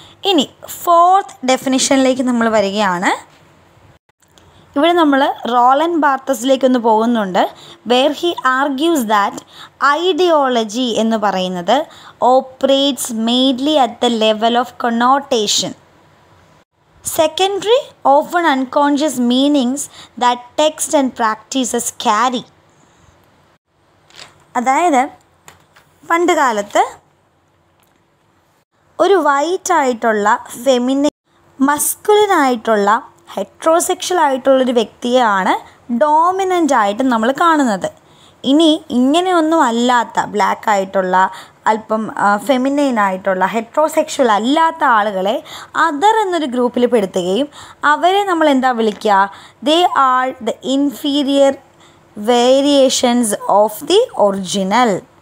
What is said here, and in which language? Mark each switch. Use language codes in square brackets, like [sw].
[ml] ഇനി ഫോർത്ത് ഡെഫിനിഷനിലേക്ക് നമ്മൾ വരികയാണ്. ഇവിടെ നമ്മൾ റോളൻ ബാർത്തസിലേക്കൊന്ന് പോകുന്നുണ്ട്. [en] where he argues that ideology [ml] എന്ന് പറയുന്നത് [en] Operates mainly at the level of connotation. Secondary, often unconscious meanings that text and practices carry. [ml] അതായത് പണ്ട് കാലത്ത് ഒരു വൈറ്റ് ആയിട്ടുള്ള ഫെമിനിൻ മസ്കുലിനായിട്ടുള്ള ഹെട്രോസെക്ഷൽ ആയിട്ടുള്ളൊരു വ്യക്തിയെയാണ് ഡോമിനൻ്റ് ആയിട്ട് നമ്മൾ കാണുന്നത്. ഇനി ഇങ്ങനെയൊന്നും അല്ലാത്ത ബ്ലാക്ക് ആയിട്ടുള്ള, അല്പം ഫെമിനൈൻ ആയിട്ടുള്ള, ഹെട്രോസെക്ഷൽ അല്ലാത്ത ആളുകളെ അദർ എന്നൊരു ഗ്രൂപ്പിൽ പെടുത്തുകയും അവരെ നമ്മൾ എന്താ വിളിക്കുക, [en] They are the inferior variations of the original.